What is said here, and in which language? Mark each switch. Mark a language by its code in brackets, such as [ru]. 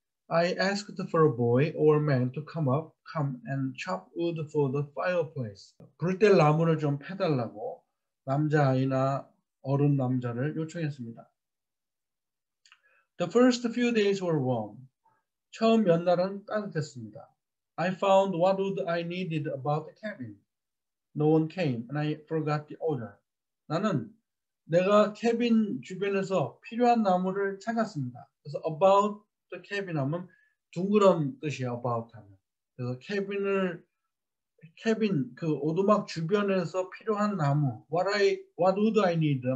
[en] I asked for a boy or man to come and chop wood for the fireplace. [ko] 불때 나무를 좀 패달라고 남자아이나어른남자를요청했습니다. [en] The first few days were warm. [ko] 처음 몇 날은 따뜻했습니다. [en] I found what wood I needed about the cabin. No one came and I forgot the order. [ko] 나는내가 캐빈 주변에서 필요한 나무를 찾았습니다. 그래서 [en] about the cabin [ko] 하면 둥그런 뜻이에요. about 하면. 그래서 캐빈 그오두막주변에서 필요한 나무. [en] What would I need?